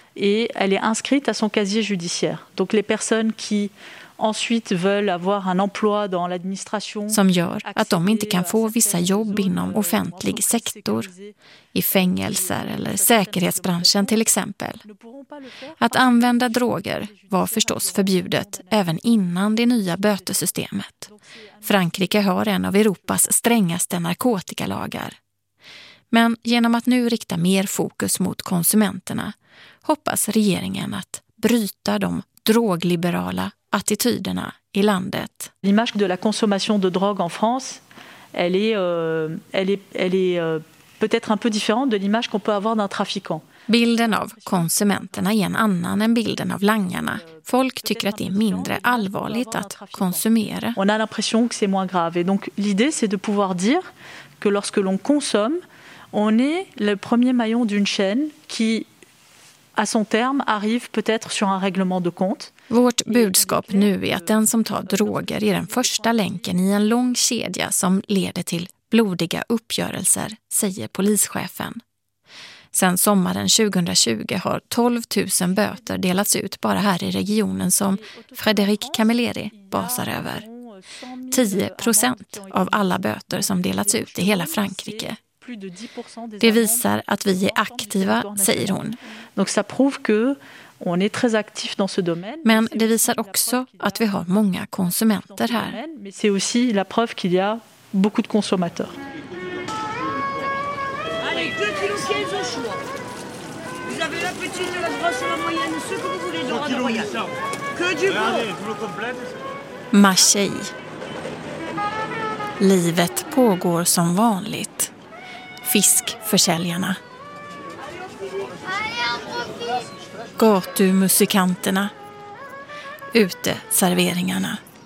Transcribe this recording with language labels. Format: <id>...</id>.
<fr>Et elle est inscrite à son casier judiciaire. Donc les personnes qui ensuite veulent avoir un emploi dans l'administration,</fr> <sv>som gör att de inte kan få vissa jobb inom offentlig sektor, i fängelser eller säkerhetsbranschen till exempel. Att använda droger var förstås förbjudet även innan det nya bötesystemet. Frankrike har en av Europas strängaste narkotikalagar. Men genom att nu rikta mer fokus mot konsumenterna hoppas regeringen att bryta de drogliberala attityderna i landet.</sv> <fr>L'image de la consommation de drogue en France, elle est peut-être un peu différente de l'image qu'on peut avoir d'un trafiquant.</fr> <sv>Bilden av konsumenterna är en annan än bilden av langarna. Folk tycker att det är mindre allvarligt att konsumera.</sv> <fr>On a l'impression que c'est moins grave et donc l'idée c'est de pouvoir dire que lorsque l'on consomme, on est le premier maillon d'une chaîne qui à son terme arrive peut-être sur un règlement de compte.</fr> <sv>Vårt budskap nu är att den som tar droger är den första länken i en lång kedja som leder till blodiga uppgörelser, säger polischefen. Sen sommaren 2020 har 12 000 böter delats ut bara här i regionen som Frédéric Camilleri basar över. 10% av alla böter som delats ut i hela Frankrike. Det visar att vi är aktiva, säger hon.</sv> <fr>Ça prouve que on est très actif dans ce domaine.</fr> <sv>Men det visar också att vi har många konsumenter här.</sv> <fr>C'est aussi la preuve qu'il y a beaucoup de consommateurs. Allez, 2,15 kg au choix. Vous avez la petite, la grosse, la moyenne, ce que vous voulez dans la moyenne. Que du gros.</fr> <sv>Marseille. Livet pågår som vanligt. Fiskförsäljarna. Gatumusikanterna. Uteserveringarna.</sv>